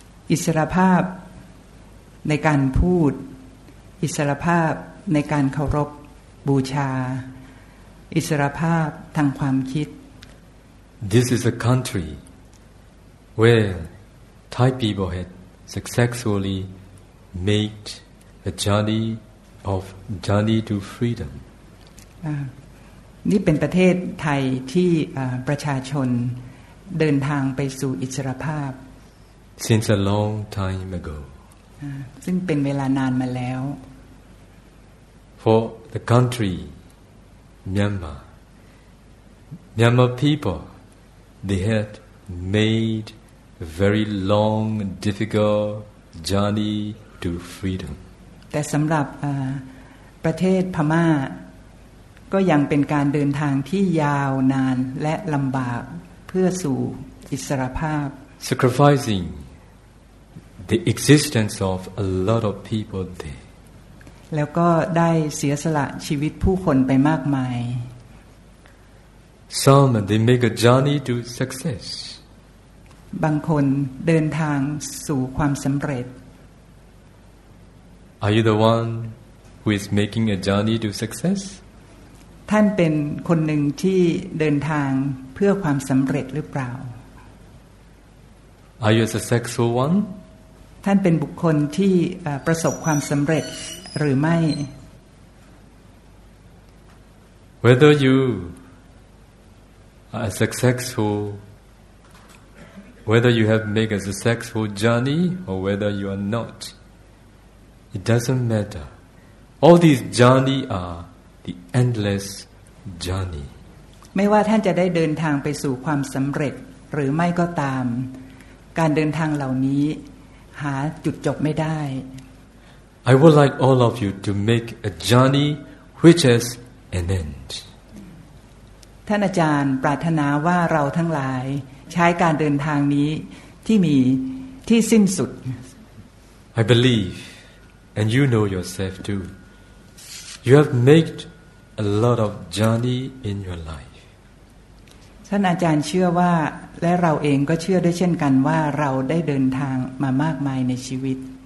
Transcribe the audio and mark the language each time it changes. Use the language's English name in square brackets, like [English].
[Thai] อิสรภาพในการพูดอิสรภาพในการเคารพบูชาอิสรภาพทางความคิด [English] This is a country where Thai people had successfully made a journey to freedom. [Thai] นี่เป็นประเทศไทยที่ประชาชนเดินทางไปสู่อิสรภาพ [English] Since a long time ago. [Thai] ซึ่งเป็นเวลานานมาแล้ว [English] For the country, Myanmar, Myanmar people, they had made a very long, difficult journey to freedom. [Thai] แต่สำหรับประเทศพม่าก็ยังเป็นการเดินทางที่ยาวนานและลำบากเพื่อสู่อิสรภาพ [English] Sacrificing the existence of a lot of people there. [Thai] แล้วก็ได้เสียสละชีวิตผู้คนไปมากมาย [English] Some they make a journey to success. [Thai] บางคนเดินทางสู่ความสำเร็จ [English] Are you the one who is making a journey to success? [Thai] ท่านเป็นคนหนึ่งที่เดินทางเพื่อความสำเร็จหรือเปล่า [English] Are you a successful one? [Thai] ท่านเป็นบุคคลที่ประสบความสำเร็จหรือไม่ [English] Whether you are successful whether you have made a successful journey or whether you are not it doesn't matter all these journey are the endless journey [Thai] ไม่ว่าท่านจะได้เดินทางไปสู่ความสำเร็จหรือไม่ก็ตามการเดินทางเหล่านี้หาจุดจบไม่ได้ [English] I would like all of you to make a journey which has an end. [Thai] ท่านอาจารย์ปรารถนาว่าเราทั้งหลายใช้การเดินทางนี้ที่มีที่สิ้นสุด [English] I believe, and you know yourself too, you have made a lot of journey in your life. [Thai] ท่านอาจารย์เชื่อว่าและเราเองก็เชื่อด้วยเช่นกันว่าเราได้เดินทางมามากมายในชีวิต